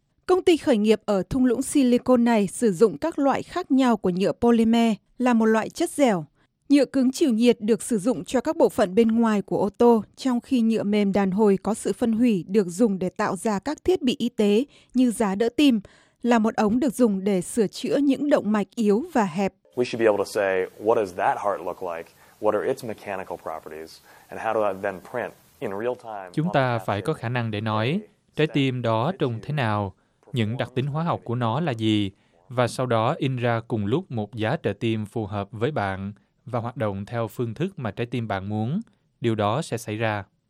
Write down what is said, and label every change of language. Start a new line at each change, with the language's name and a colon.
Vietnamese: Công ty khởi nghiệp ở thung lũng silicon này sử dụng các loại khác nhau của nhựa polymer là một loại chất dẻo. Nhựa cứng chịu nhiệt được sử dụng cho các bộ phận bên ngoài của ô tô, trong khi nhựa mềm đàn hồi có sự phân hủy được dùng để tạo ra các thiết bị y tế như giá đỡ tim, là một ống được dùng để sửa chữa những động mạch yếu và hẹp.
English: We should be able to say, what does that heart look like? What are its mechanical properties? And how do I then print in real time?
Vietnamese: Chúng ta phải có khả năng để nói, trái tim đó trông thế nào, những đặc tính hóa học của nó là gì, và sau đó in ra cùng lúc một giá trợ tim phù hợp với bạn và hoạt động theo phương thức mà trái tim bạn muốn, điều đó sẽ xảy ra.